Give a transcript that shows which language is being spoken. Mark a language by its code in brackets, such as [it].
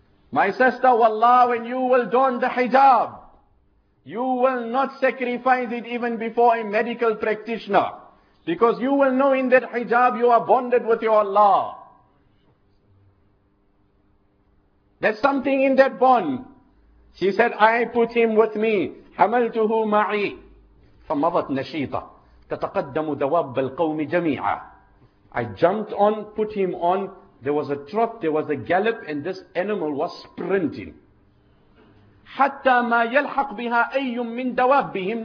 [en] My sister, wallah, when you will don the hijab, you will not sacrifice it even before a medical practitioner. Because you will know in that hijab you are bonded with your Allah. There's something in that bond. She said, I put him with me. [ar] حَمَلْتُهُ مَعِي فَمَضَتْ نَشِيطًا تتقدم دواب القوم جميعا. [en] I jumped on, put him on. There was a trot, there was a gallop, and this animal was sprinting. [ar] حتى ما يلحق بها أي من دوابهم.